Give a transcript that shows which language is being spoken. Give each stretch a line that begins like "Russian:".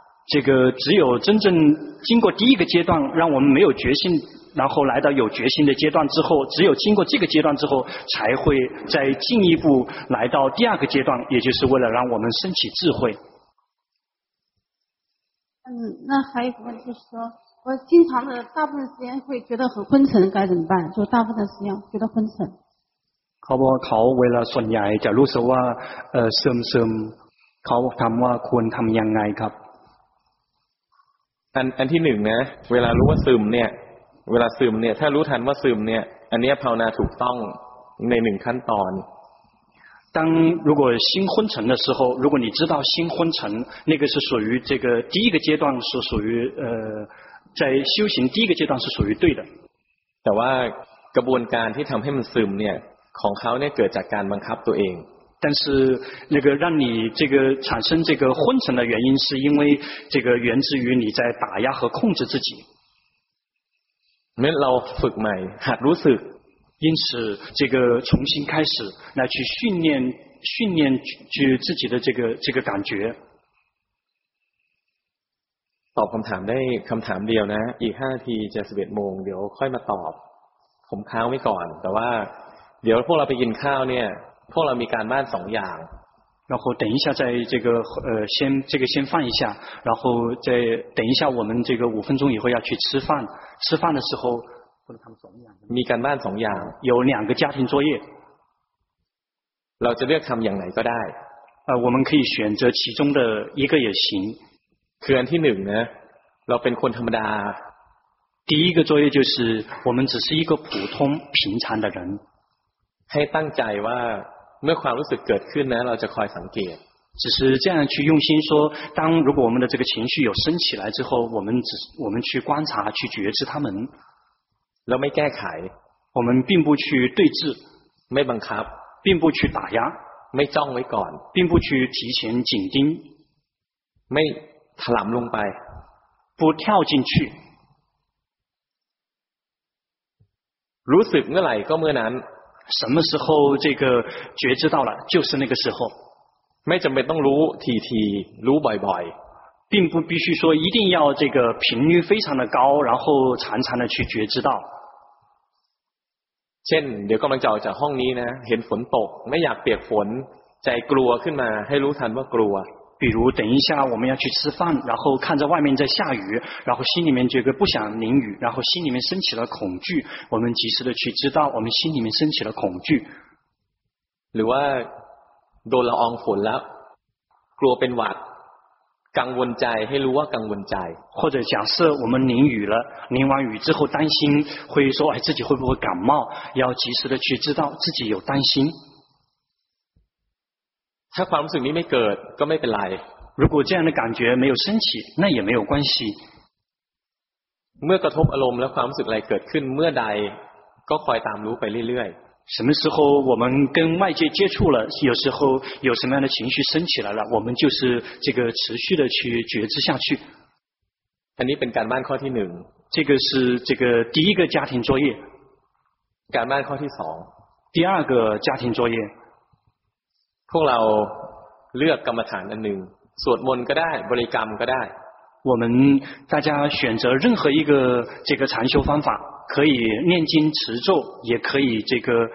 Chinese: 这个只有真正经过第一个阶段，让我们没有决心，然后来到有决心的阶段之后，只有经过这个阶段之后，才会再进一步来到第二个阶段，也就是为了让我们升起智慧。那还有一个问题是说，我经常的大部分时间会觉得很昏沉，该怎么办？就大部分时间觉得昏沉。
Thai: เขาบอกเขาเวลาส่วนใหญ่จะรู้สึกว่าเสื่อมเสื่อมเขาทำว่าควรทำยังไงครับ อันที่หนึ่งนะเวลารู้ว่าซึมเนี่ยเวลาซึมเนี่ยถ้ารู้ทันว่าซึมเนี่ยอันนี้ภาวนาถูกต้องในหนึ่งขั้นตอน
Chinese: 当如果心昏沉的时候，如果你知道心昏沉，那个是属于这个第一个阶段是属于在修行第一个阶段是属于对的。
Thai: แต่ว่ากระบวนการที่ทำให้มันซึมเนี่ยของเขาเนี่ยเกิดจากการบังคับตัวเอง
Chinese: 但是那个让你这个产生这个昏沉的原因是因为这个源自于你在打压和控制自己
Thai: เราฝึกใหม่หัดรู้สึก
Chinese: 因此这个重新开始来去训练去自己的这个感觉
Thai: ตอบคำถามได้คำถามเดียวนะอีก5นาทีจะ11โมงเดี๋ยวค่อยมาตอบผมค้างไว้ก่อนแต่ว่าเดี๋ยวพวกเราไปกินข้าวเนี่ยพวกเรามีการบ้านสองอย่าง
Chinese: 然后等一下在这个先这个先放一下然后再等一下我们这个五分钟以后要去吃饭的时候
Thai: มีการบ้านสองอย่าง
Chinese: 有两个家庭作业
Thai: เราจะเลือกทำอย่างไหนก็ได้
Chinese: 我们可以选择其中的一个也行
Thai: คืออันที่หนึ่งนะเราเป็นคนธรรมดา
Chinese: 第一个作业就是我们只是一个普通平常的人
Thai: ให้ตั้งใจว่าเมื่อความรู้สึกเกิดขึ้นนะเราจะคอยสังเกต
Chinese: 只是这样去用心说当如果我们的这个情绪有升起来之后我们去观察去觉知它们
Thai: เราไม่แก้ไข
Chinese: 我们并不去对峙
Thai: ไม่บังคับ
Chinese: 并不去打压
Thai: ไม่จ้องไว้ก่อน
Chinese: 并不去提前紧盯
Thai: ไม่ถลำลงไป
Chinese: 不跳进去
Thai: รู้สึกเมื่อไหร่ก็เมื่อนั้น
Chinese: 什么时候这个觉知到了就是那个时候
Thai: ไม่จำเป็นต้องรู้ที่รู้บ่อยบ่อย
Chinese: 并不必须说一定要这个频率非常的高然后常常的去觉知到
Thai: เช่นเดี๋ยวกำลังจะออกจากห้องนี้นะเห็นฝนตกไม่อยากเปียกฝนใจกลัวขึ้นมาให้รู้ทันว่ากลัว
Chinese: 比如等一下我们要去吃饭然后看着外面在下雨然后心里面觉得不想淋雨然后心里面升起了恐惧我们及时的去知道我们心里面升起了恐惧
Thai: หรือว่าโดนละอองฝนแล้วกลัวเป็นหวัดกังวลใจให้รู้ว่ากังวลใจ
Chinese: 或者假设我们淋雨了淋完雨之后担心会说哎自己会不会感冒要及时的去知道自己有担心
Thai: ถ้าความรู้สึกนี้ไม่เกิดก็ไม่เป็นไร
Chinese: 如果这样的感觉没有升起那也没有关系
Thai: เมื่อกระทบอารมณ์แล้วความรู้สึกอะไรเกิดขึ้นเมื่อใดก็คอยตามรู้ไปเรื่อย
Chinese: ๆ什么时候我们跟外界接触了有时候有什么样的情绪升起来了我们就是这个持续的去觉知下去
Thai: อันนี้เป็นการบ้านข้อที่หนึ่ง
Chinese: 这个是这个第一个家庭作业
Thai: การบ้านข้อที่สอง
Chinese: 第二个家庭作业
Thai: พวกเราเลือกกรรมฐานอันหนึ่งสวดมนต์ก็ได้บริกรรมก็ได้
Chinese: 我们大家选择任何一个这个禅修方法可以念经持咒也可以这个